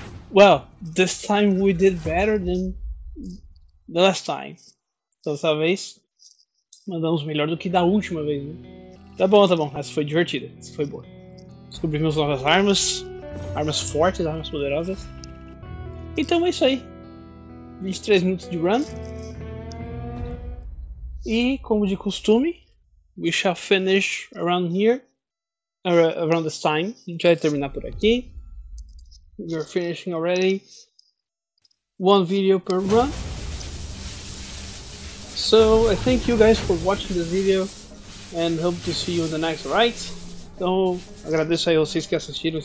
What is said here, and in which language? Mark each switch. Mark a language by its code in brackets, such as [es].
[en] Well, this time we did better than the last time. [pt] Então, dessa vez, mandamos melhor do que da última vez. Né? Tá bom. Essa foi divertida. Essa foi boa. Descobrimos novas armas. Armas fortes, armas poderosas. Então, é isso aí. 23 minutos de run. E como de costume, [en] we shall finish around here. Around this time. [pt] A gente vai terminar por aqui. [en] We are finishing already. One video per run. So I thank you guys for watching this video. And hope to see you in the next, right? [pt] Então agradeço aí a vocês que assistiram esse vídeo. E vejo vocês uma próxima, certo?